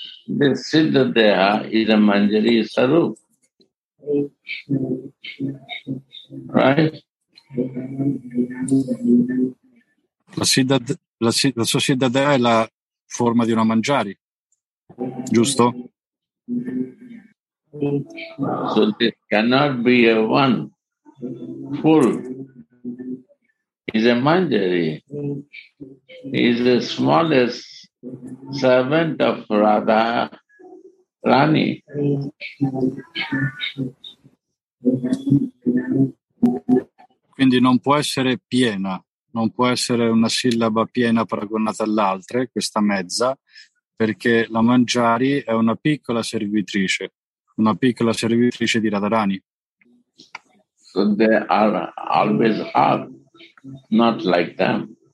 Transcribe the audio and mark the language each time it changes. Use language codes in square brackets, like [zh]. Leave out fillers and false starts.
[en] The siddha deha is a manjari sarup, right? [it] La sua siddhadeha è la forma di una mangiari, giusto? [en] So this cannot be a one full, is a mangiari, is the smallest servant of Radha Rani. [it] Quindi non può essere piena, non può essere una sillaba piena paragonata all'altra, questa mezza, perché la Manjari è una piccola servitrice di Radharani. [en] So they are always half, not like them.